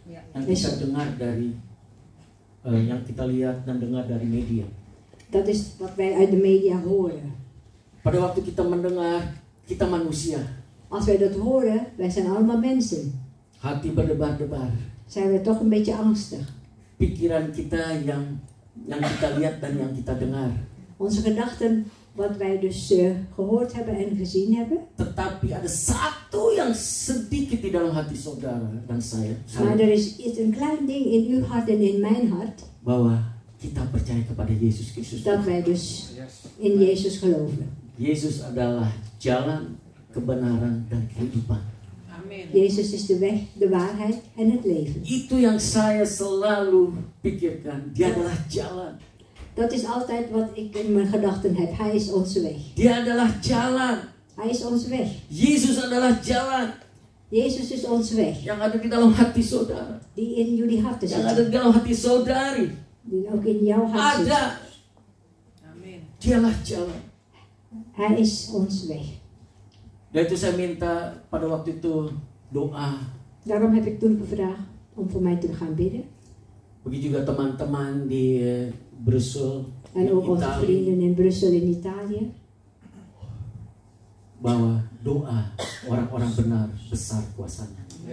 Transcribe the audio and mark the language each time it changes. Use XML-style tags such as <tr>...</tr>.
<id>Yang kita dengar dari, yang kita lihat dan dengar dari media.</id> <nl>Dat is wat wij uit de media horen.</nl> <id>Pada waktu kita mendengar, kita manusia.</id> <nl>Als wij dat horen, wij zijn allemaal mensen.</nl> <id>Hati berdebar-debar.</id> <nl>Zijn we toch een beetje angstig.</nl> <id>Pikiran kita yang kita lihat dan yang kita dengar.</id> <nl>Onze gedachten, wat wij dus gehoord hebben en gezien hebben.</nl> <id>Tetapi ada satu yang sedikit di dalam hati saudara dan saya.</id> <nl>Maar er is iets een klein ding in uw hart en in mijn hart.</nl> <id>Bahwa kita percaya kepada Yesus Kristus.</id> <nl>Dat wij dus in Yesus geloven.</nl> <id>Yesus adalah jalan, kebenaran dan kehidupan. Amin.</id> <nl>Yesus is de weg, de waarheid en het leven.</nl> <id>Itu yang saya selalu pikirkan. Dia adalah jalan.</id> <nl>Dat is altijd wat ik in mijn gedachten heb. Hij is onze weg.</nl> <id>Dia adalah jalan.</id> <nl>Hij is onze weg.</nl> <id>Yesus adalah jalan.</id> <nl>Yesus is onze weg.</nl> <id>Yang ada di dalam hati saudara.</id> <nl>Die in jullie harten zit.</nl> <id>Yang ada di dalam hati saudari.</id> <nl>Die ook in jouw hart</nl> <id>ada. Amin. Dialah jalan.</id> <nl>Hij is ons weg.</nl> <id>Dan itu saya minta pada waktu itu doa.</id> <nl>Daarom heb ik toen gevraagd om voor mij te gaan bidden.</nl> <id>Begitu juga teman-teman di Brussel.</id> <nl>En ook onze vrienden in Brussel in Italië.</nl> <id>Bahwa doa orang-orang benar besar kuasanya.</id>